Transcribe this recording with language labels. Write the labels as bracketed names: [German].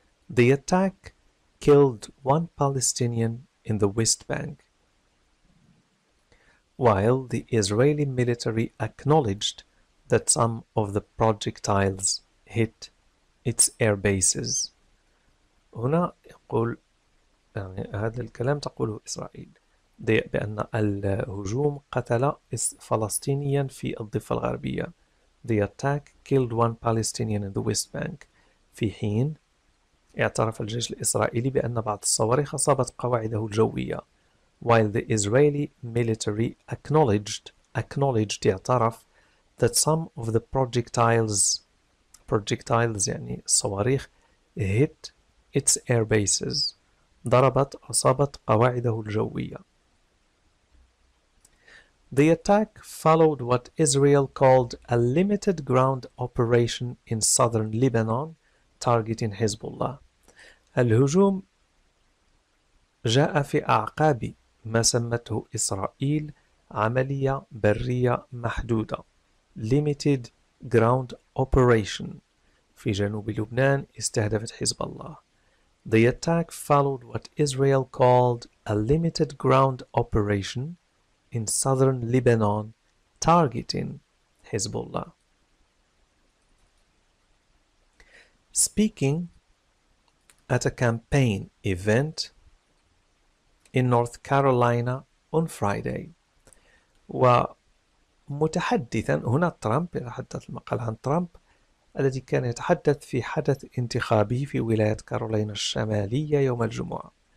[English] The attack killed one Palestinian in the West Bank. While the Israeli military acknowledged that some of the projectiles hit its air bases. [Arabic] هنا يقول يعني هذا الكلام تقوله إسرائيل. بأن الهجوم قتل فلسطينيا في الضفة الغربية. [English] The attack killed one Palestinian in the West Bank. [Arabic] في حين اعترف الجيش الإسرائيلي بأن بعض الصواريخ أصابت قواعده الجوية. [English] While the Israeli military acknowledged [Arabic] اعترف [English] that some of the projectiles [Arabic] يعني الصواريخ [English] hit its air bases [Arabic] ضربت أصابت قواعده الجوية. [English] The attack followed what Israel called a limited ground operation in southern Lebanon targeting Hezbollah. [Arabic] الهجوم جاء في أعقاب ما سمته إسرائيل عملية برية محدودة [English] limited ground operation [Arabic] في جنوب لبنان استهدفت حزب الله. [English] The attack followed what Israel called a limited ground operation in southern Lebanon targeting Hezbollah. Speaking at a campaign event in North Carolina on Friday, [Arabic] ومتحدثا هنا ترامب يتحدث المقال عن ترامب الذي كان يتحدث في حدث انتخابي في ولاية كارولينا الشمالية يوم الجمعة.